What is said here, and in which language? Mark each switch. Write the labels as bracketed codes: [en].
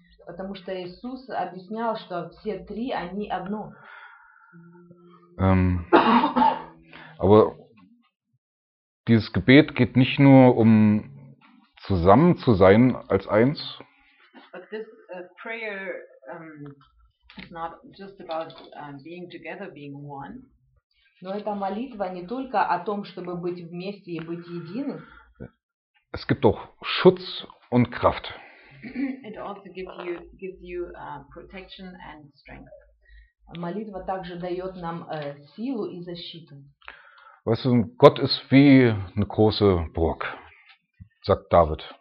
[ru] Потому что Иисус объяснял, что все три, они одно. [de] Aber dieses Gebet geht nicht nur um zusammen zu sein als eins. [en] But this prayer is not just about being together, being one. [ru] Но эта молитва не только о том, чтобы быть вместе и быть едины. [de] Es gibt auch Schutz und Kraft. [en] It also gives you protection and strength. [ru] Молитва также дает нам силу и защиту. [de] Weißt du, Gott ist wie eine große Burg, sagt David.